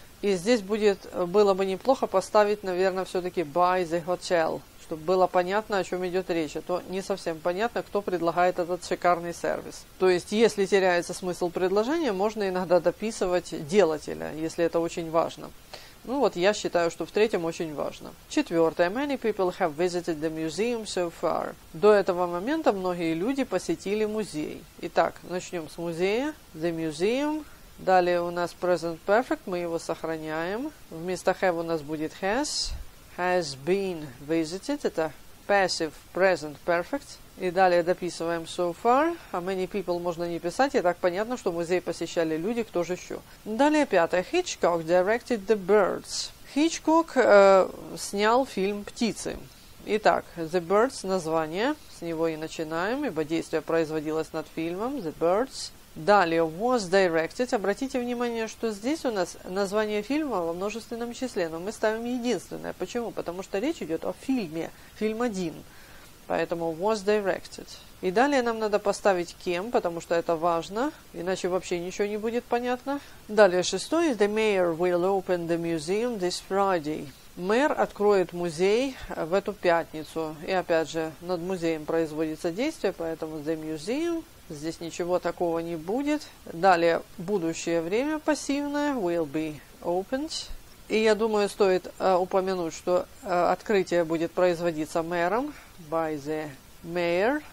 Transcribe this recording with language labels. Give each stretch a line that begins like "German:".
Russian: И здесь будет, было бы неплохо поставить, наверное, все-таки
English: by the hotel,
Russian: чтобы было понятно, о чем идет речь, а то не совсем понятно, кто предлагает этот шикарный сервис. То есть, если теряется смысл предложения, можно иногда дописывать делателя, если это очень важно. Ну вот, я считаю, что в третьем очень важно. Четвертое.
English: Many people have visited the museum so far.
Russian: До этого момента многие люди посетили музей. Итак, начнем с музея.
English: The museum.
Russian: Далее у нас present perfect, мы его сохраняем. Вместо have у нас будет has.
English: Has been visited.
Russian: Это passive present perfect. И далее дописываем
English: so far.
Russian: А
English: many people
Russian: можно не писать. И так понятно, что музей посещали люди. Кто же еще? Далее пятое.
English: Hitchcock directed the birds.
Russian: Hitchcock снял фильм «Птицы». Итак,
English: the birds
Russian: название. С него и начинаем, ибо действие производилось над фильмом.
English: The birds.
Russian: Далее,
English: was directed.
Russian: Обратите внимание, что здесь у нас название фильма во множественном числе, но мы ставим единственное. Почему? Потому что речь идет о фильме, фильм один. Поэтому
English: was directed.
Russian: И далее нам надо поставить кем, потому что это важно, иначе вообще ничего не будет понятно. Далее, шестое.
English: The mayor will open the museum this Friday.
Russian: Мэр откроет музей в эту пятницу. И опять же, над музеем производится действие, поэтому
English: the museum.
Russian: Здесь ничего такого не будет. Далее, будущее время пассивное,
English: will be opened.
Russian: И я думаю, стоит упомянуть, что открытие будет производиться мэром,
English: by the mayor.